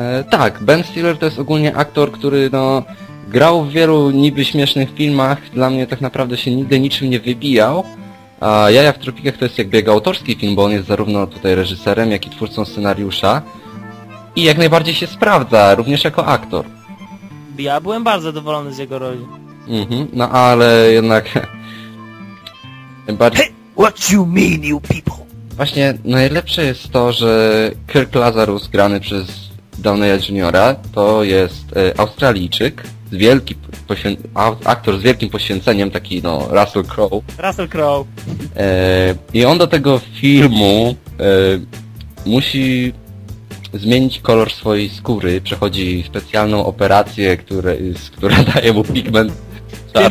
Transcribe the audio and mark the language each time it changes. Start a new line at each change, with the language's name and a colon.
Polish: Tak, Ben Stiller to jest ogólnie aktor, który no grał w wielu niby śmiesznych filmach, dla mnie tak naprawdę się nigdy niczym nie wybijał. A Jaja w Tropikach to jest jakby jego autorski film, bo on jest zarówno tutaj reżyserem, jak i twórcą scenariusza. I jak najbardziej się sprawdza, również jako aktor. Ja byłem bardzo zadowolony z jego roli. No ale jednak...
English: Hey, what you mean, you people?
Polish: Właśnie najlepsze jest to, że Kirk Lazarus, grany przez Downeya Juniora, to jest Australijczyk, wielki aktor z wielkim poświęceniem, taki no Russell Crowe. Russell Crowe. I on do tego filmu musi zmienić kolor swojej skóry, przechodzi specjalną operację, która daje mu pigment czarny.